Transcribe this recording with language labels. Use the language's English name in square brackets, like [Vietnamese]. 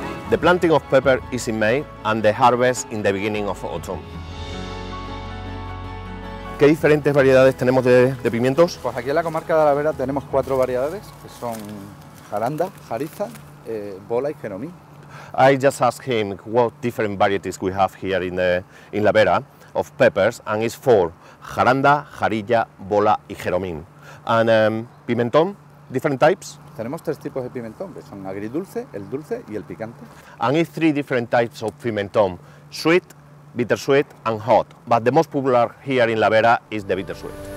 [English] The planting of pepper is in May and the harvest in the beginning of autumn. [Spanish] ¿Qué diferentes variedades tenemos de pimientos? Pues aquí en la comarca de La Vera tenemos cuatro variedades, que son jaranda, jariza, bola y jeromí. [English] I just asked him what different varieties we have here in La Vera of peppers, and it's four: jaranda, jarilla, bola y jeromí. And pimentón, different types? [Spanish] Tenemos tres tipos de pimentón, que son agridulce, el dulce y el picante. [English] And it's three different types of pimentón: sweet, bittersweet and hot, but the most popular here in La Vera is the bittersweet.